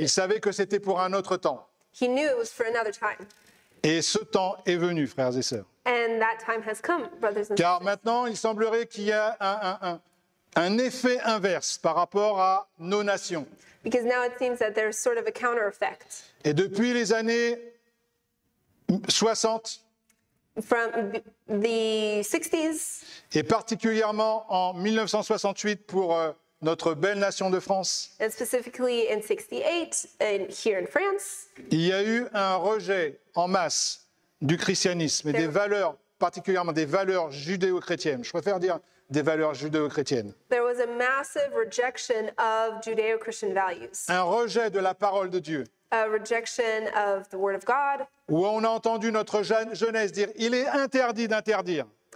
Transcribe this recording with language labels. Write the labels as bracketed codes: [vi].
[fr] Il savait que c'était pour un autre temps. [en] He knew it was for another time. [fr] Et ce temps est venu, frères et sœurs. [en] And that time has come, brothers and [fr] Car [en] sisters. [fr] Car maintenant, il semblerait qu'il y a un effet inverse par rapport à nos nations. [en] Because now it seems that there's sort of a counter effect. [fr] Et depuis les années 60, [en] From the 60s, [fr] et particulièrement en 1968 pour notre belle nation de France, [en] and specifically in 68, and here in France, [fr] il y a eu un rejet en masse du christianisme et des valeurs, particulièrement des valeurs judéo-chrétiennes. Je préfère dire des valeurs judéo-chrétiennes. [en] There was a massive rejection of Judeo-Christian values. [fr] Un rejet de la parole de Dieu. [en] A rejection of the word of God. [fr] Où on a entendu notre jeunesse dire, il est interdit d'interdire.